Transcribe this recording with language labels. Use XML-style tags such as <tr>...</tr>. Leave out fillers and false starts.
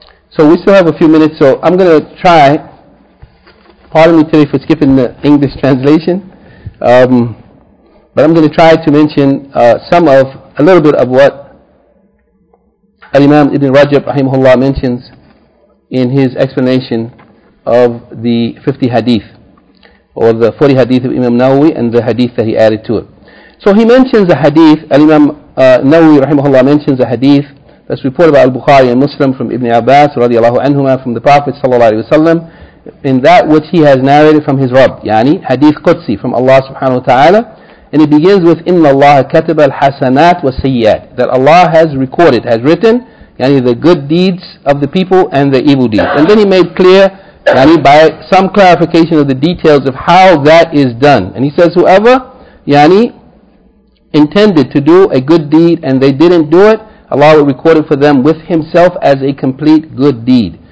<en>So we still have a few minutes, so I'm going to try, pardon me today for skipping the English translation, but I'm going to try to mention a little bit of what Al-Imam Ibn Rajab rahimahullah mentions in his explanation of the 50 hadith, or the 40 hadith of Imam Nawawi and the hadith that he added to it. So he mentions a hadith, Al-Imam Nawawi rahimahullah mentions a hadith that's reported by Al-Bukhari and Muslim from Ibn Abbas radiallahu anhuma from the Prophet sallallahu alayhi wa sallam, in that which he has narrated from his Rabb, yani hadith Qudsi from Allah subhanahu wa ta'ala. And it begins with,</en> <ar>إِنَّ اللَّهَ كَتَبَ الْحَسَنَاتِ وَالسَّيِّئَاتِ.</ar> <en>That Allah has recorded, has written, yani, the good deeds of the people and the evil deeds. And then he made clear, yani, by some clarification of the details of how that is done. And he says, whoever, yani, intended to do a good deed and they didn't do it, Allah will record it for them with himself as a complete good deed.</en>